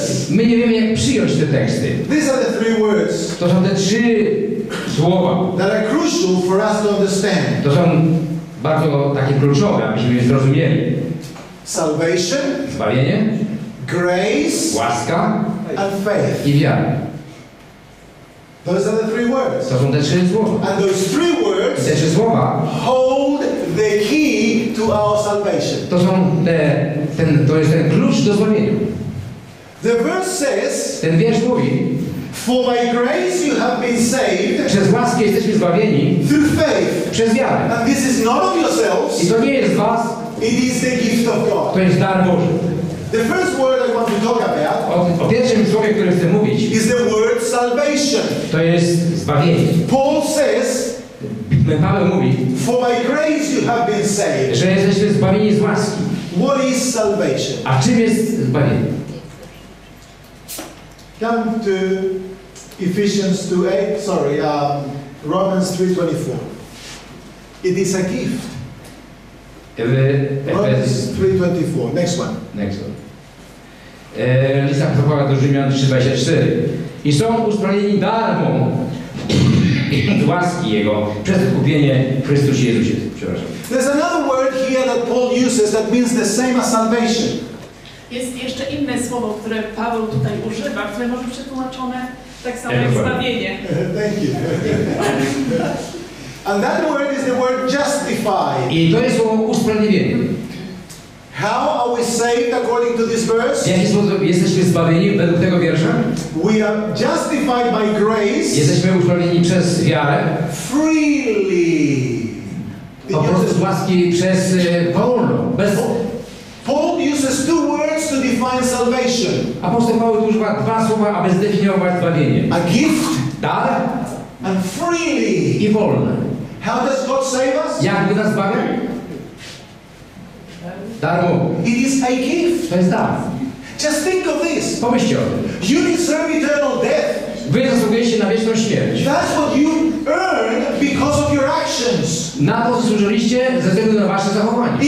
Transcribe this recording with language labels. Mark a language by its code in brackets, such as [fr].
[pl] My nie wiemy, jak przyjąć te teksty. [en] These are the three words. [pl] To są te trzy słowa. [en] That are crucial for us to understand. [pl] To są bardzo takie kluczowe, abyśmy je zrozumieli. [en] Salvation. [pl] Zbawienie. [en] Grace. [pl] Łaska. [en] And faith. [pl] I wiara. [en] Those are the three words. [pl] To są te trzy słowa. [en] And those three words. [pl] Te trzy słowa. [en] Hold the key to our salvation. [pl] To są te, ten, to jest ten klucz do zbawienia. [en] The verse says, [pl] ten wiersz mówi, [en] for by grace you have been saved, [pl] przez łaskę jesteśmy zbawieni, [en] through faith, [pl] przez wiarę. [en] And this is not of yourselves, [pl] i to nie jest was, [en] it is the gift of God. [pl] To jest dar Boży. [en] The first word I want to talk about, [pl] o pierwszym słowie, które chcę mówić, [en] is the word salvation. [pl] To jest zbawienie. [en] Paul says, [pl] Paweł mówi, [en] for by grace you have been saved, [pl] że jesteśmy zbawieni z łaski. [en] What is salvation? [pl] A czym jest zbawienie? [en] Come to Ephesians 2:8. Sorry, Romans 3:24. It is a gift. Romans 3:24. Next one. Next one. [pl] List apostoła do Rzymian 3:24. I są usprawiedliwieni darmo z łaski Jego przez odkupienie w Chrystusie Jezusie. Przepraszam. [en] There's another word here that Paul uses that means the same as salvation. [pl] Jest jeszcze inne słowo, które Paweł tutaj używa, które może być przetłumaczone tak samo jak zbawienie. [en] Thank you. And that word is the word justified. [pl] I to jest słowo usprawiedliwienie. [en] How are we saved according to this verse? [pl] W jaki sposób jesteśmy zbawieni według tego wiersza? [en] We are justified by grace. [pl] Jesteśmy usprawiedliwieni przez wiarę. [en] Freely. [pl] Po prostu z łaski, przez wolno, bez. [en] Paul uses two words to define salvation. [pl] Apostoł Paweł używa dwa słowa, aby zdefiniować zbawienie. [en] A gift, [pl] dar, [en] and freely, [pl] i wolne. [en] How does God save us? [pl] Jak Bóg nas zbawia? Darmo. [en] It is a gift. [pl] To jest dar. [en] Just think of this. [pl] Pomyślcie. [en] You deserve eternal death. [pl] Wy zasługujecie na wieczną śmierć. [en] That's what you earned because of your actions. [pl] Na to zasłużyliście ze względu na wasze zachowanie.